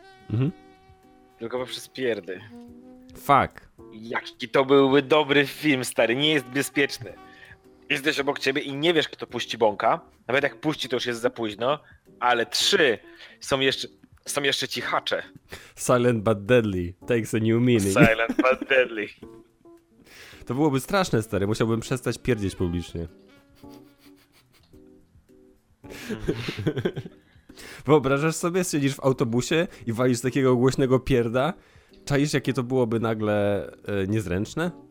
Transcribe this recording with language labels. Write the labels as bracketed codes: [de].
[pl] Mhm. Tylko poprzez pierdy. [en] Fuck. [pl] Jaki to byłby dobry film, stary, nie jest bezpieczny. Jesteś obok ciebie i nie wiesz, kto puści bąka. Nawet jak puści, to już jest za późno. Ale trzy, są jeszcze ci hacze. [en] Silent but deadly takes a new meaning. Silent but deadly. [pl] To byłoby straszne, stary, musiałbym przestać pierdzieć publicznie. Wyobrażasz sobie, siedzisz w autobusie i walisz takiego głośnego pierda? Czaisz, jakie to byłoby nagle niezręczne?